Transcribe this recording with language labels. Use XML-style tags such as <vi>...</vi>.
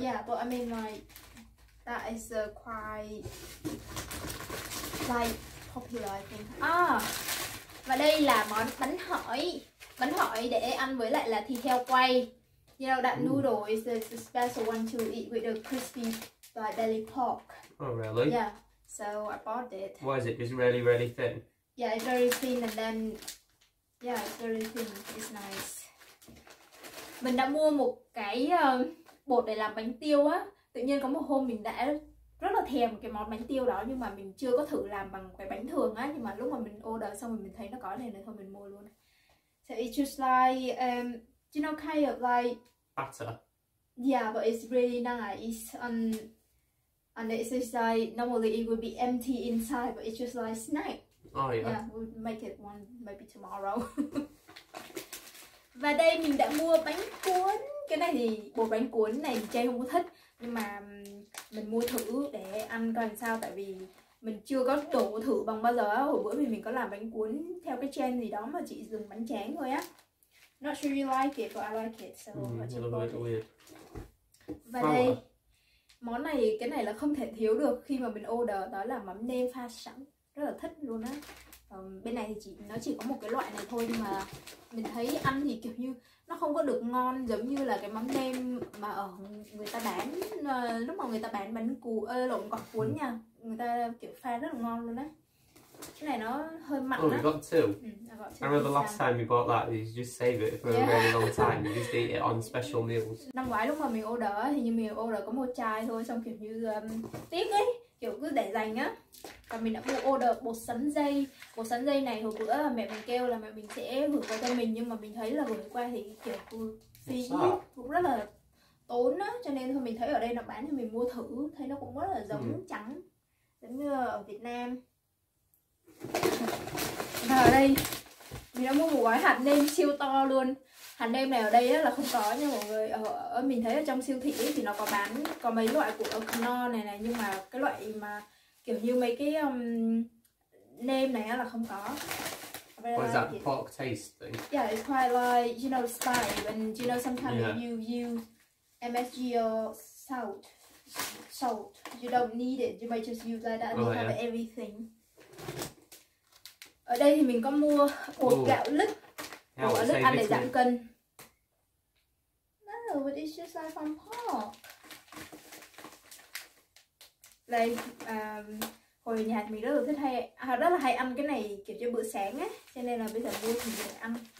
<en>Yeah, but I mean like that is quite like popular, I think.</en> <vi>Và đây là món bánh hỏi. Bánh hỏi để ăn với lại là thịt heo quay.</vi> <en>You know that noodle is the special one to eat with the crispy belly pork. Oh really? Yeah. So I bought it. Why is it? It's really, really thin. Yeah, it's very thin and then yeah, it's very thin. It's nice.</en> <vi>Mình đã mua một cái bột để làm bánh tiêu á. Tự nhiên có một hôm mình đã rất là thèm cái món bánh tiêu đó, nhưng mà mình chưa có thử làm bằng cái bánh thường á. Nhưng mà lúc mà mình order xong rồi mình thấy nó có này nên thôi mình mua luôn.</vi> <en>So it's just like you know, kind of like butter. Yeah, but it's really nice, and it's just like normally it would be empty inside, but it's just like snack. Oh yeah. Yeah, we'll make it one maybe tomorrow.</en> <vi>Và đây mình đã mua bánh cuốn. Cái này thì bột bánh cuốn này Jay không có thích, nhưng mà mình mua thử để ăn coi sao, tại vì mình chưa có đổ thử bằng bao giờ. Hồi bữa mình có làm bánh cuốn theo cái trend gì đó mà chỉ dùng bánh tráng thôi á.</vi> <en>Not sure you like it, but I like it, so what's your body?</en> <vi>Và món này, cái này là không thể thiếu được khi mà mình order, đó là mắm nêm pha sẵn. Rất là thích luôn á. Bên này thì nó chỉ có một cái loại này thôi, nhưng mà mình thấy ăn thì kiểu như nó không có được ngon giống như là cái mắm nêm mà ở người ta bán, lúc mà người ta bán bánh cù, lộn quả cuốn nha. Người ta kiểu pha rất là ngon luôn á. Cái này nó hơi mặn.</vi> <en>Oh, we got two. I remember the last time you bought that, you just save it for a really long time. You just eat it on special meals.</en> <vi>Năm ngoái lúc mà mình order, thì như mình order có một chai thôi, xong kiểu như tiếc ấy, kiểu cứ để dành á. Và mình đã mua order bột sắn dây. Bột sắn dây này hồi bữa mẹ mình kêu là mẹ mình sẽ gửi qua cho mình, nhưng mà mình thấy là gửi qua thì kiểu phí cũng rất là tốn á, cho nên thôi mình thấy ở đây nó bán thì mình mua thử, thấy nó cũng rất là giống trắng, giống như ở Việt Nam. Và ở đây mình đã mua một gói hạt nêm siêu to luôn. Hạt nêm này ở đây là không có nha mọi người. Mình thấy ở trong siêu thị thì nó có bán có mấy loại của Knorr này này, nhưng mà cái loại mà kiểu như mấy cái nêm này là không có.</vi> <en>What is that, the pork taste thing? Yeah, it's quite like, you know, spice. When you know sometimes you use MSG or salt, you don't need it. You might just use like that and you have everything.</en> <vi>Ở đây thì mình có mua bột gạo lứt, bột gạo lứt ăn để giảm cân.</vi> <en>No, but it's just like from pork.</en> <vi>Đây, hồi nhà mình rất là thích hay, rất là hay ăn cái này kiểu cho bữa sáng á, cho nên là bây giờ mua thì mình ăn.</vi>